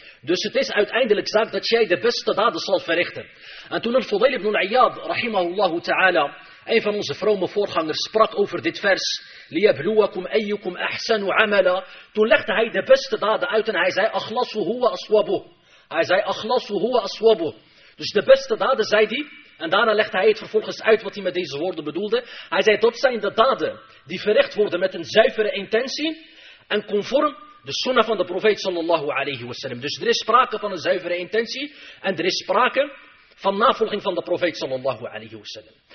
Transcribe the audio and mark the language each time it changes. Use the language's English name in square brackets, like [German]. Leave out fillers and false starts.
[Dutch] Dus het is uiteindelijk zaak dat jij de beste daden zal verrichten. En toen al-Fudayl ibn al-Iyad, rahimahullahu ta'ala, een van onze vrome voorgangers, sprak over dit vers, [Arabic] لِيَبْلُوَكُمْ أَيُّكُمْ أَحْسَنُ عَمَلًا, [Dutch] toen legde hij de beste daden uit en hij zei, [Arabic] أَخْلَصُ هُوَ أَصْوَبُ. [Dutch] Hij zei, [Arabic] أَخْلَصُ هُوَ أَصْوَبُ. [Dutch] Dus de beste daden, zei hij, en daarna legde hij het vervolgens uit wat hij met deze woorden bedoelde. Hij zei, dat zijn de daden die verricht worden met een zuivere intentie en conform de sunnah van de profeet sallallahu alayhi wa sallam. Dus er is sprake van een zuivere intentie en er is sprake van navolging van de profeet sallallahu alayhi wa sallam.